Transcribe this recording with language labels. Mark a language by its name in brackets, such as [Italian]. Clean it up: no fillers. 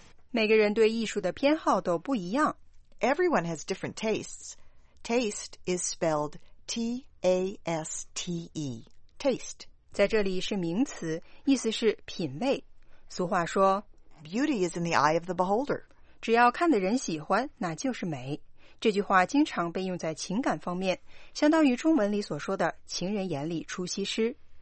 [Chinese] 每个人对艺术的偏好都不一样。 [English] Everyone has different tastes. Taste is spelled T-A-S-T-E. Taste. [Chinese] 在这里是名词，意思是品味。俗话说 [English] Beauty is in the eye of the beholder. [Chinese] 只要看的人喜欢，那就是美。这句话经常被用在情感方面，相当于中文里所说的情人眼里出西施。